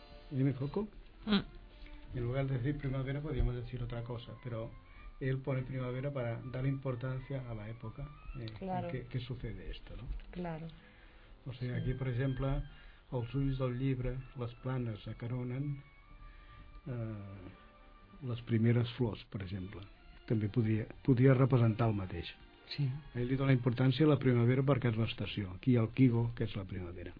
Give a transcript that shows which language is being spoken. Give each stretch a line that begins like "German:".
Catalan: Dime, Coco? En lloc de dir primavera podríem dir una altra cosa, però
Spanish: él pone primavera para dar importancia a la época claro. En que sucede esto, ¿no? Claro. O sea, sí.
Catalan: Aquí,
Spanish: por ejemplo,
Catalan: els ulls del llibre, les planes acaronen les primeres flors, per exemple. També podria representar el mateix. Sí. A ell li dona importància a la primavera perquè és l'estació. Aquí hi ha el Kigo, que és la primavera.